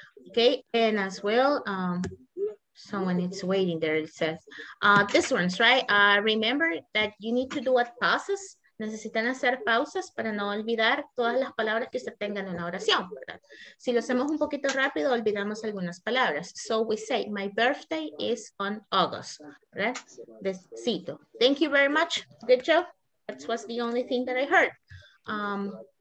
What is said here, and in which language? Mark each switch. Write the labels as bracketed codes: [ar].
[en] Okay, and as well, someone is waiting there. It says, this one's right. Remember that you need to do what passes. [es] Necesitan hacer pausas para no olvidar todas las palabras que se tengan en una oración, ¿verdad? Si lo hacemos un poquito rápido, olvidamos algunas palabras. [en] So we say, my birthday is on August, [es] ¿verdad? Cito. [en] Thank you very much. Good job. That was the only thing that I heard.